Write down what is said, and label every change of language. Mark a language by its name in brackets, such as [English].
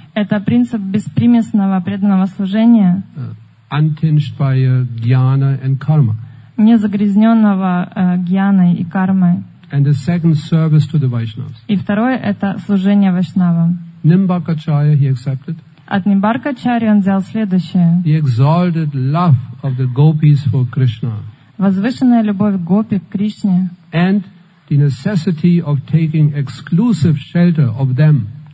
[Russian] Это принцип беспримесного преданного служения. [English] Untinged by jnana and karma. [Russian] Не загрязненного гьяной и кармой. [English] And the second service to the Vaishnavas. [Russian] И второе это служение вайшнавам. [English] Nimbarkacharya he accepted. [Russian] От Нимбаркачарьи он взял следующее. [English] The exalted love of the gopis for Krishna. [Russian] Возвышенная любовь гопи к Кришне. [English] And the necessity of taking exclusive shelter of them.